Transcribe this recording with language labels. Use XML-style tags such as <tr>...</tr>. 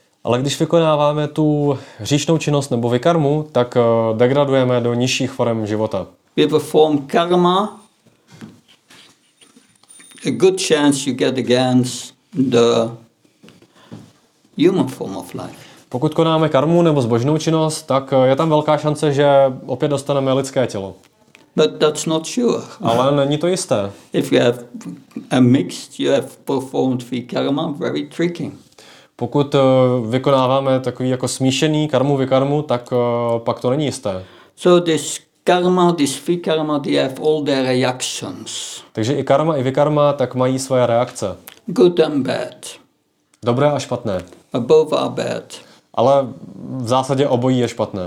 <cs>Ale když vykonáváme tu hříšnou činnost nebo vikarmu, tak degradujeme do nižších forem života.</cs> <en>We perform karma, a good chance you get against the human form of life.</en> <cs>Pokud konáme karmu nebo zbožnou činnost, tak je tam velká šance, že opět dostaneme lidské tělo.</cs> <en>But that's not sure.</en> <cs>Ale není to jisté.</cs> <en>If you have a mixed, you have performed vikarma, very tricky.</en> <cs>Pokud vykonáváme takový jako smíšený karmu vikarmu, tak pak to není jisté.</cs> <en>So this karma, this vikarma, they have all their reactions.</en> <cs>Takže i karma i vikarma tak mají svoje reakce.</cs> <en>Good and bad.</en> <cs>Dobré a špatné.</cs> <en>Both are bad.</en> <cs>Ale v zásadě obojí je špatné.</cs>